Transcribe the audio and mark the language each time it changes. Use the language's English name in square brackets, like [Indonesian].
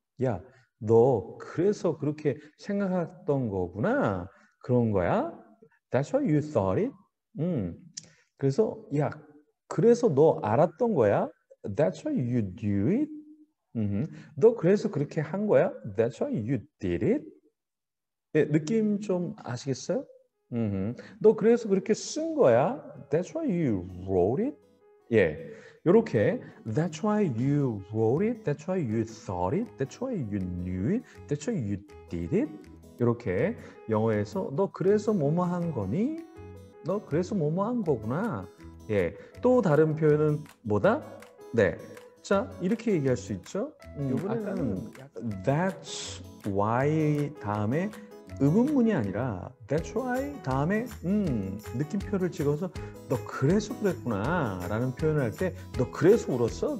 [Korean] 야, 너 그래서 그렇게 생각했던 거구나. 그런 거야? [English] That's why you thought it? [Korean] 그래서 야, 그래서 너 알았던 거야? [English] That's why you do it? [Korean] 너 그래서 그렇게 한 거야? [English] That's why you did it? [Korean] 네, 느낌 좀 아시겠어요? 너 그래서 그렇게 쓴 거야? [English] That's why you wrote it? 예, 이렇게 That's why you wrote it? That's why you thought it? That's why you knew it? That's why you did it? [Korean] 이렇게 영어에서 너 그래서 뭐뭐 한 거니? 너 그래서 뭐뭐 한 거구나. 예, 또 다른 표현은 뭐다? 네, 자, 이렇게 얘기할 수 있죠. 이번에는 아까는 약간 That's why 다음에 의문문이 아니라 That's why 다음에 느낌표를 찍어서 너 그래서 그랬구나 라는 표현을 할때너 그래서 울었어?